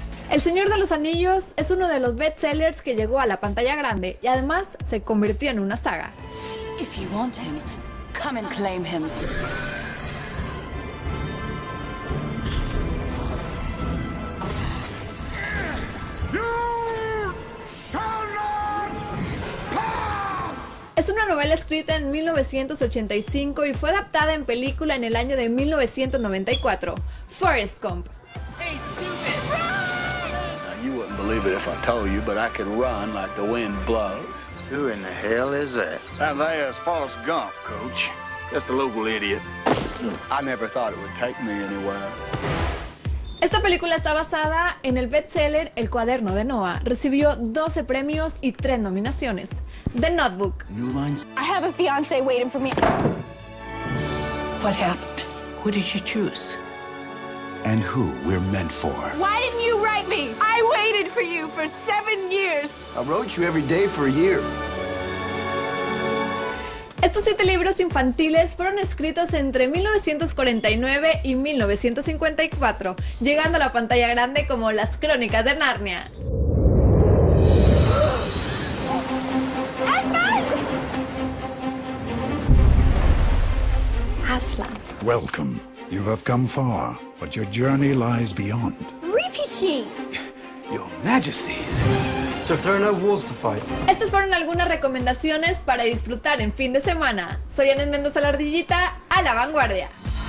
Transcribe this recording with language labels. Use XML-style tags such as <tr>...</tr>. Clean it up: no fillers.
<es>El Señor de los Anillos es uno de los bestsellers que llegó a la pantalla grande y además se convirtió en una saga.</es> <en>If you want him, come and claim him.</en> <es>Es una novela escrita en 1985 y fue adaptada en película en el año de 1994, Forrest Gump.</es> <en>You wouldn't believe it if I told you, but I can run like the wind blows. Who in the hell is that? That there's Forrest Gump, coach. Just a local idiot. I never thought it would take me anywhere.</en> <es>Esta película está basada en el bestseller El Cuaderno de Noah. Recibió 12 premios y 3 nominaciones. The Notebook. New</es> <en>lines. I have a fiancé waiting for me. What happened? Who did you choose? And who we're meant for. Why didn't you write me? I waited for you for 7 years. I wrote you every day for a year.</en> <es>Estos 7 libros infantiles fueron escritos entre 1949 y 1954, llegando a la pantalla grande como Las Crónicas de Narnia.</es> <en>Aslan. Welcome. You have come far, but your journey lies beyond. Refugee. Your Majesties. So if there are no wars to fight.</en> <es>Estas fueron algunas recomendaciones para disfrutar en fin de semana. Soy Janeth Mendoza, la ardillita, a la vanguardia.</es>